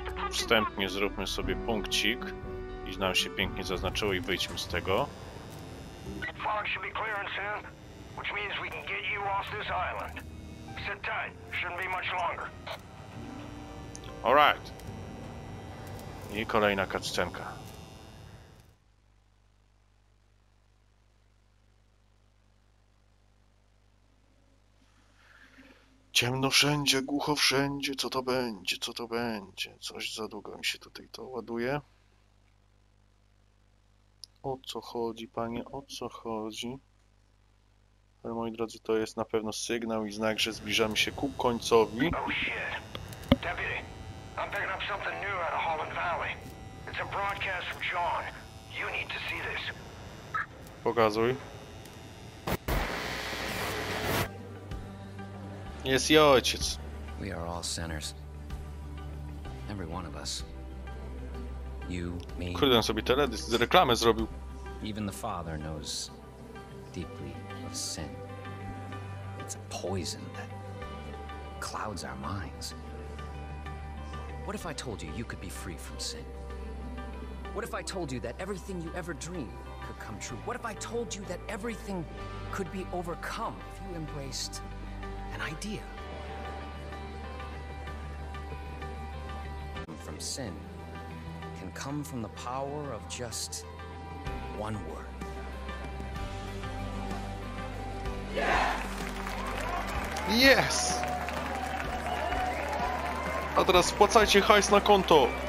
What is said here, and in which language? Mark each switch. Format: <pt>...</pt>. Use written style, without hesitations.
<pl>Wstępnie zróbmy sobie punkcik. I nam się pięknie zaznaczyło i wyjdźmy z tego.</pl> <en>Fog should be clearing soon, which means we can get you off this island. Sit tight, shouldn't be much longer. Alright.</en> <pl>I kolejna cutscenka. Ciemno wszędzie, głucho wszędzie, co to będzie, co to będzie? Coś za długo mi się tutaj to ładuje. O co chodzi, panie, o co chodzi? Ale moi drodzy, to jest na pewno sygnał i znak, że zbliżamy się ku końcowi.</pl> <en>I'm picking up something new out of Holland Valley. It's a broadcast from John. You need to see this.</en> <pl>Pokazuj. Jest jej ojciec.</pl> <en>We are all sinners. Every one of us. You, me.</en> <pl>Kurde, on sobie teledysk, reklamę zrobił.</pl> <en>Even the father knows deeply of sin. It's a poison that clouds our minds. What if I told you you could be free from sin? What if I told you that everything you ever dreamed could come true? What if I told you that everything could be overcome if you embraced an idea? From sin can come from the power of just one word. Yes! Yes!</en> <pl>A teraz wpłacajcie hajs na konto.</pl>